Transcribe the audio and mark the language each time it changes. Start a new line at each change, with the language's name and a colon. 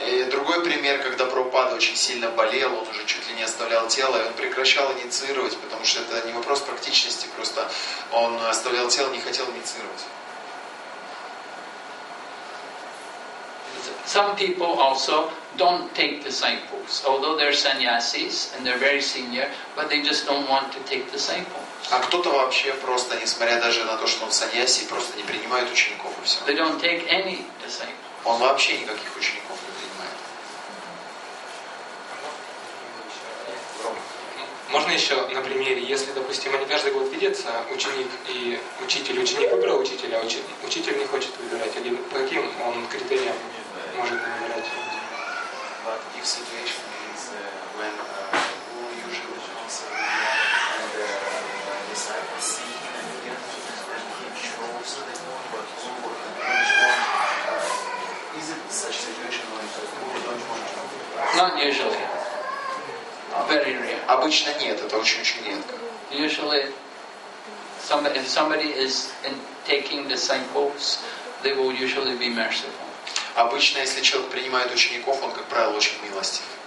Russian: Другой пример, когда Прабхупада очень сильно болел, он уже чуть ли не оставлял тело, и он прекращал инициировать, потому что это не вопрос практичности, просто он оставлял тело, не хотел инициировать.
English: Some people also don't take disciples, although they're sannyasis and they're very senior, but they just don't want to take disciples.
Russian: А кто-то вообще просто, несмотря даже на то, что он саньяси, просто не принимает учеников и все.
English: They don't take any disciples.
Russian: Он вообще никаких учеников не принимает. Можно еще на примере, если, допустим, они каждый год видятся, ученик и учитель, ученик выбрал учителя, а учитель не хочет выбирать, или по каким он критериям может выбирать?
English: But if situation is when who usually and the disciples see Not usually. Very rare.
Russian: Обычно нет, это очень-очень редко.
English: Usually, if somebody is taking disciples, they will usually be merciful.
Russian: Обычно, если человек принимает учеников, он, как правило, очень милостив.